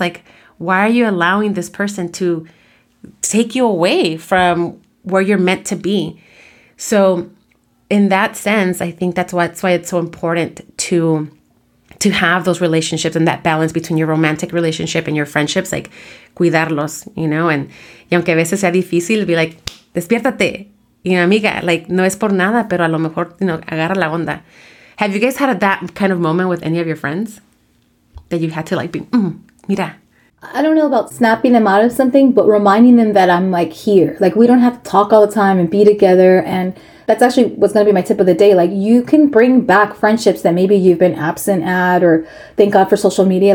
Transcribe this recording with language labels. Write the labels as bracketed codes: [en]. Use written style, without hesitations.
[en] Like, why are you allowing this person to take you away from where you're meant to be? So in that sense, I think that's why it's so important to have those relationships and that balance between your romantic relationship and your friendships, like, [es] cuidarlos, [en] you know? [es] And y aunque a veces sea difícil, [en] be like, [es] despiértate, you know, amiga, like, no es por nada, pero a lo mejor, you know, agarra la onda. [en] Have you guys had that kind of moment with any of your friends that you had to, like, be, mira? I don't know about snapping them out of something, but reminding them that I'm, like, here. Like, we don't have to talk all the time and be together. And that's actually what's going to be my tip of the day. Like, you can bring back friendships that maybe you've been absent at, or thank God for social media.